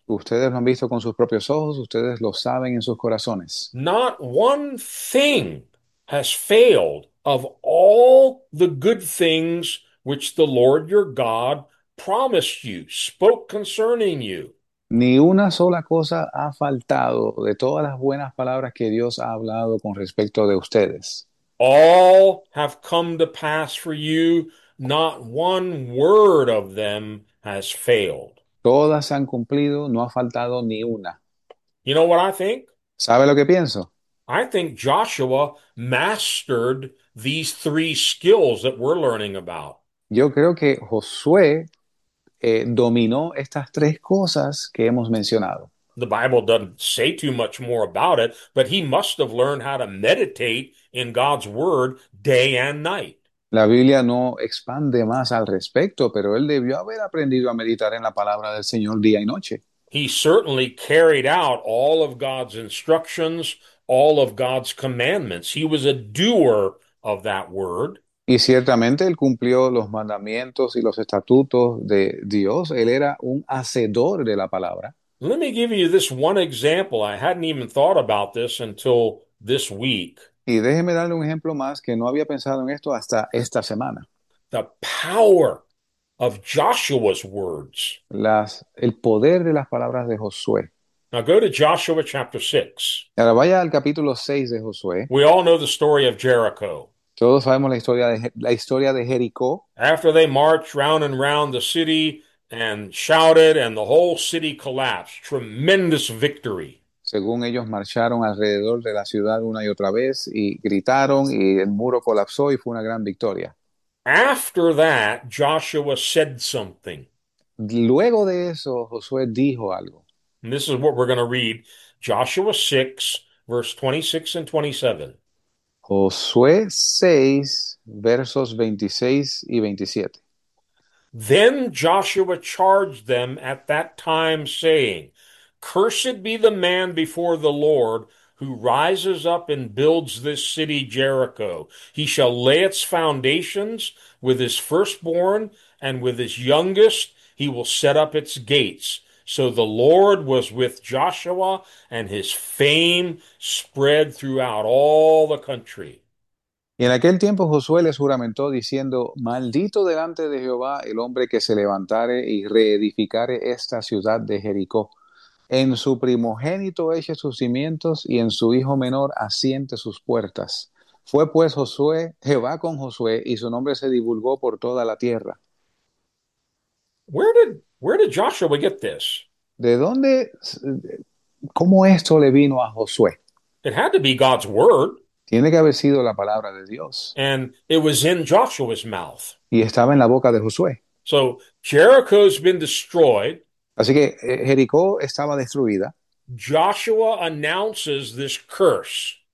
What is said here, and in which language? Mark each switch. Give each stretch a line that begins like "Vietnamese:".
Spanish: Ustedes lo han visto con sus propios ojos, ustedes lo saben en sus corazones.
English: Not one thing has failed of all the good things which the Lord your God promised you, spoke concerning you.
Spanish: Ni una sola cosa ha faltado de todas las buenas palabras que Dios ha hablado con respecto de ustedes.
English: All have come to pass for you, not one word of them has failed.
Spanish: Todas se han cumplido, no ha faltado ni una.
English: You know what I think?
Spanish: ¿Sabe lo que pienso?
English: I think Joshua mastered these three skills that we're learning about.
Spanish: Yo creo que Josué dominó estas tres cosas que hemos mencionado.
English: The Bible doesn't say too much more about it, but he must have learned how to meditate in God's word day and night.
Spanish: La Biblia no expande más al respecto, pero él debió haber aprendido a meditar en la palabra del Señor día y noche.
English: He certainly carried out all of God's instructions. All of God's commandments. He was a doer of that word.
Spanish: Y ciertamente él cumplió los mandamientos y los estatutos de Dios. Él era un hacedor de la palabra.
English: Let me give you this one example. I hadn't even thought about this until this week.
Spanish: Y déjeme darle un ejemplo más que no había pensado en esto hasta esta semana.
English: The power of Joshua's words.
Spanish: El poder de las palabras de Josué.
English: Now go to Joshua chapter 6.
Spanish: Ahora vaya al capítulo 6 de Josué.
English: We all know the story of Jericho.
Spanish: Todos sabemos la historia de Jericó.
English: After they marched round and round the city and shouted, and the whole city collapsed. Tremendous victory.
Spanish: Según ellos marcharon alrededor de la ciudad una y otra vez y gritaron y el muro colapsó y fue una gran victoria.
English: After that, Joshua said something.
Spanish: Luego de eso, Josué dijo algo.
English: And this is what we're going to read, Joshua 6. Verse 26 and 27.
Spanish: Josué 6, versos 26 y 27.
English: Then Joshua charged them at that time, saying, "Cursed be the man before the Lord who rises up and builds this city Jericho. He shall lay its foundations with his firstborn, and with his youngest he will set up its gates." So the Lord was with Joshua, and his fame spread throughout all the country.
Spanish: Y en aquel tiempo Josué les juramentó diciendo, maldito delante de Jehová el hombre que se levantare y reedificare esta ciudad de Jericó. En su primogénito eche sus cimientos y en su hijo menor asiente sus puertas. Fue pues Josué, Jehová con Josué, y su nombre se divulgó por toda la tierra.
English: Where did Joshua get this?
Spanish: ¿De dónde, cómo esto le vino a Josué?
English: It had to be God's word.
Spanish: Tiene que haber sido la palabra de Dios.
English: And it was in Joshua's mouth.
Spanish: Y estaba en la boca de Josué.
English: So Jericho's been destroyed.
Spanish: Así que Jericó estaba destruida.
English: Joshua announces this curse.